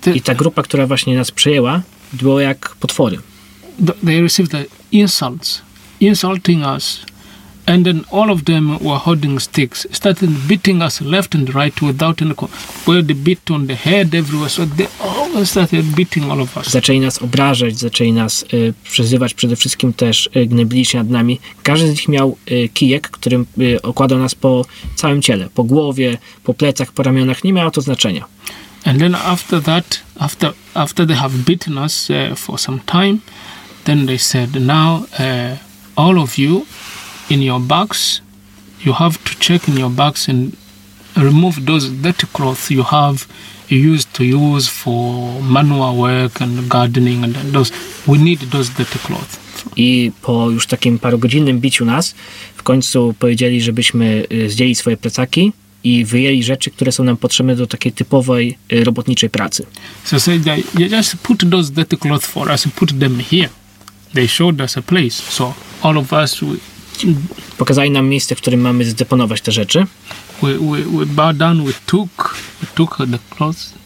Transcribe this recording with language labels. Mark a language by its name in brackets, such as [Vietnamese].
[Polish] I ta grupa, która właśnie nas przejęła, była jak potwory. [English] They received the insults, insulting us, and then all of them were holding sticks, started beating us left and right without any where they beat on the head everywhere, so they all started beating all of us. [Polish] Zaczęli nas obrażać, zaczęli nas przezywać, przede wszystkim też gnębili się nad nami. Każdy z nich miał kijek, którym okładał nas po całym ciele, po głowie, po plecach, po ramionach, nie miało to znaczenia. [English] And then after that, after they have beaten us for some time, then they said, now all of you in your bags, you have to check in your bags and remove those dirty cloths you have used to use for manual work and gardening and those. We need those dirty cloths. [Polish] I po już takim parugodzinnym biciu nas, w końcu powiedzieli, żebyśmy zdjęli swoje plecaki i wyjęli rzeczy, które są nam potrzebne do takiej typowej robotniczej pracy. [English] So say that you just put those dirty cloths for us and put them here. They showed us a place, so all of us. [Polish] Pokazali nam miejsce, w którym mamy zdeponować te rzeczy. [English] We bowed down, we took the cloth.